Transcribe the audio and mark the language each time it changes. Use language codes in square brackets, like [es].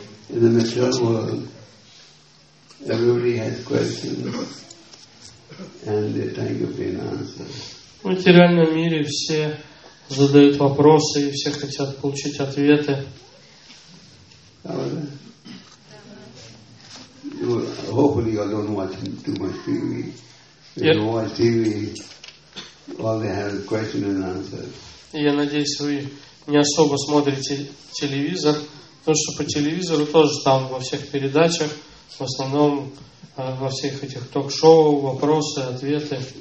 [en] In the mature world, everybody has questions, and they're trying to gain answers. [ru] В материальном мире все задают вопросы и все хотят получить ответы. [en] Hopefully, you don't watch too much TV. When you watch TV, all they have is questions and answers. [ru] Я надеюсь, вы не особо смотрите телевизор, потому что по телевизору тоже там во всех передачах, в основном во всех этих ток-шоу, вопросы, ответы.